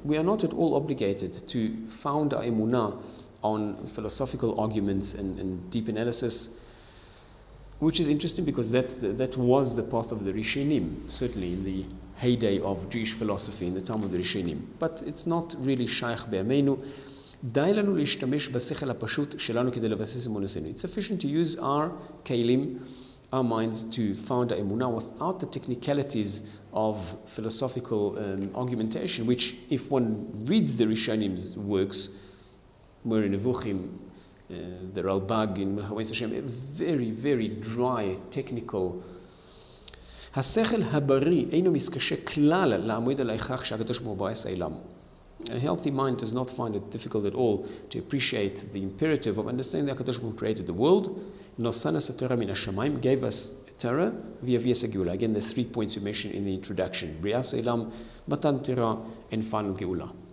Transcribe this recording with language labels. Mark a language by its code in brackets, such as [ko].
[en] We are not at all obligated to found our emuna on philosophical arguments and deep analysis, which is interesting because that was the path of the Rishonim, certainly in the heyday of Jewish philosophy in the time of the Rishonim. But it's not really shaykh be'ameinu. [he] די לנו להשתמש בשכל הפשוט שלנו כדי לבסס אמונתנו. [en] It's sufficient to use our kelim, our minds, to found our emuna without the technicalities of philosophical argumentation, which if one reads the Rishonim's works, Moreh Nevuchim, the Ralbag in Melachos Hashem, a very, very dry, technical. [he] השכל הבריא אינו מתקשה כלל לעמוד על ההכרח שהקדוש ברוך הוא ברא את העולם. [en] A healthy mind does not find it difficult at all to appreciate the imperative of understanding that HaKadosh Baruch Hu created the world. [he] Nosana Satora min Hashamayim, [en] gave us Torah via [he] Viesa Geula. [en] Again, the 3 points you mentioned in the introduction. Bria Seilam, Matan Torah, and final Geula.